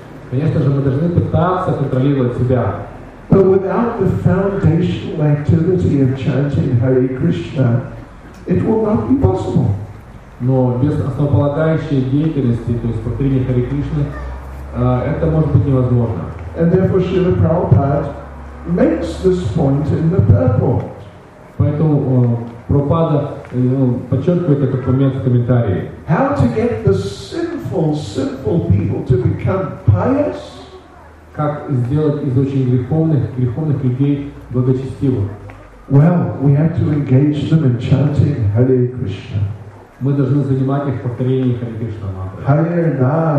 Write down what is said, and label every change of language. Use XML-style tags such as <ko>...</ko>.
<ru>Конечно же, мы должны пытаться контролировать себя.</ru> <en>But without the foundational activity of chanting Hare Krishna, it will not be possible.</en> <ru>Но без основополагающей деятельности, то есть повторения Харе Кришны, это может быть невозможно.</ru> <en>And therefore Srila Prabhupada makes this point in the purport.</en> <ru>Поэтому Прабхупада подчеркивает этот момент в комментарии.</ru> <en>How to get the sinful people to become pious?</en> <ru>Как сделать из очень греховных людей благочестивых?</ru> <en>Well, we have to engage them in chanting Hare Krishna.</en> <ru>Мы должны занимать их повторением Харе Кришна</ru>